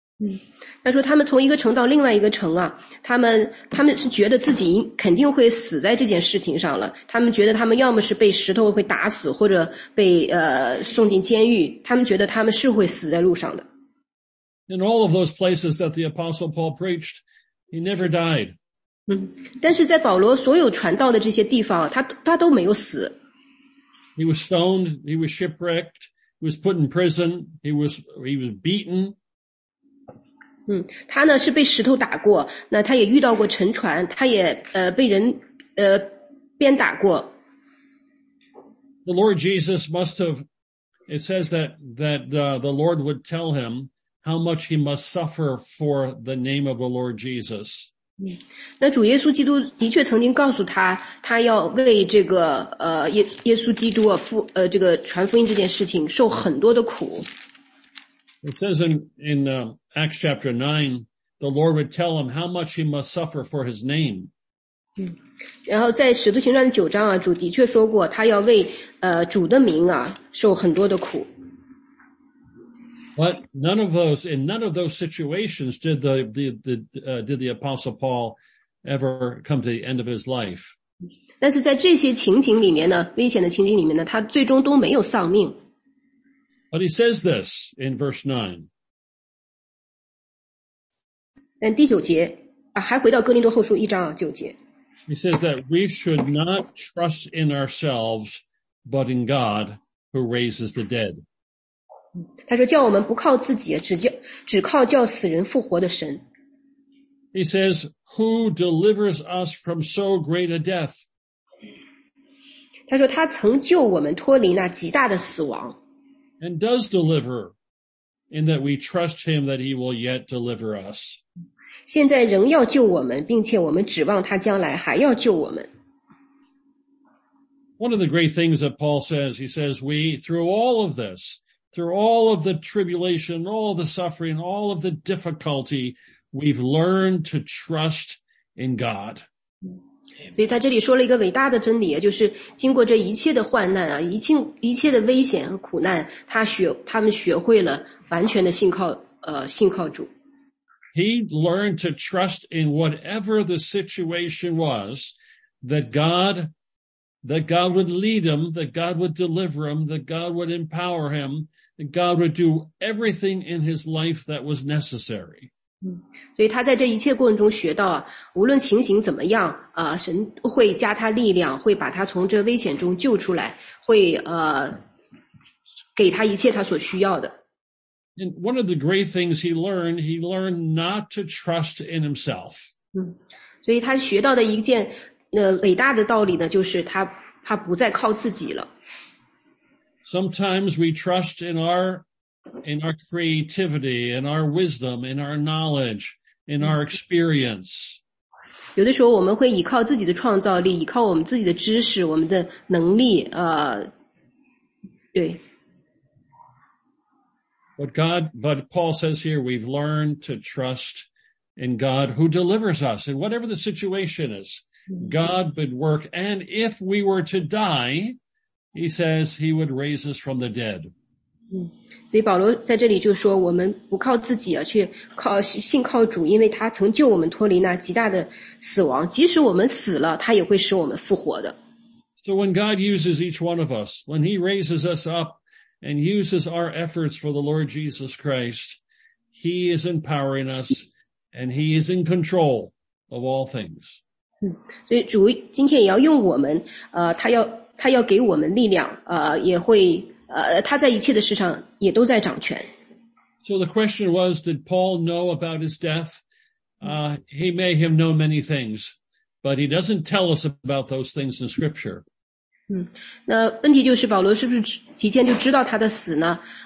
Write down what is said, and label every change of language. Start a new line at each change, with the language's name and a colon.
Chinese: 嗯，他说他们从一个城到另外一个城啊，他们是觉得自己肯定会死在这件事情上了。他们觉得他们要么是被石头会打死，或者被送进监狱。他们觉得他们是会死在路上的。
English: In all of those places that the Apostle Paul preached, he never died.
Chinese: 嗯，但是在保罗所有传道的这些地方，他都没有死。
English: He was stoned. He was shipwrecked. He was put in prison. He was beaten.
Chinese: 嗯，他呢是被石头打过，那他也遇到过沉船，他也被人鞭打过。
English: The Lord Jesus must have, it says that the Lord would tell him how much he must suffer for the name of the Lord Jesus.
Chinese: 嗯，那主耶稣基督的确曾经告诉他，他要为这个耶稣基督啊付这个传福音这件事情受很多的苦。
English: It says in Acts chapter 9, the Lord would tell him how much he must suffer for his name.
Chinese: 嗯，然后在使徒行传九章啊，主的确说过，他要为主的名啊受很多的苦。
English: But none of those situations did the Apostle Paul ever come to the end of his life.
Chinese: 但是在这些情景里面呢，危险的情景里面呢，他最终都没有丧命。
English: But he says this in verse 9.
Chinese: 第九节啊，还回到哥林多后书一章啊，九节。
English: He says that we should not trust in ourselves, but in God who raises the dead.
Chinese: 他说叫我们不靠自己，只靠叫死人复活的神。
English: He says, who delivers us from so great a death?
Chinese: 他说他曾救我们脱离那极大的死亡。
English: And does deliver, in that we trust him that he will yet deliver us.
Chinese: 现在仍要救我们，并且我们指望他将来还要救我们。
English: One of the great things that Paul says, he says, we, through all of this, through all of the tribulation, all the suffering, all of the difficulty, we've learned to trust in God.
Chinese: 所以他这里说了一个伟大的真理，就是经过这一切的患难啊，一切的危险和苦难，他们学会了完全的信靠主。
English: He learned to trust in whatever the situation was that God that God would lead him, that God would deliver him, that God would empower him, that God would do everything in his life that was necessary.
Chinese: 所以他在这一切过程中学到，无论情形怎么样，神会加他力量，会把他从这危险中救出来，会给他一切他所需要的。
English: And one of the great things he learned not to trust in himself.
Chinese: 所以他学到的一件伟大的道理呢，就是他不再靠自己了。
English: Sometimes we trust in our creativity, in our wisdom, in our knowledge, in our experience.
Chinese: 有的时候我们会依靠自己的创造力，依靠我们自己的知识，我们的能力，对。
English: But Paul says here, we've learned to trust in God who delivers us. And whatever the situation is, God would work. And if we were to die, he says he would raise us from the dead.
Chinese: 所以保罗在这里就说，我们不靠自己，去靠信靠主，因为他曾救我们脱离那极大的死亡。即使我们死了，他也会使我们复活的。
English: So when God uses each one of us, when he raises us up, and uses our efforts for the Lord Jesus Christ, he is empowering us, and he is in control of all things.
Chinese: 所以主今天也要用我们，他要给我们力量，也会，他在一切的事上也都在掌权。
English: So the question was, did Paul know about his death? He may have known many things, but he doesn't tell us about those things in Scripture.
Chinese: 那问题就是保罗是不是提前就知道他的死呢？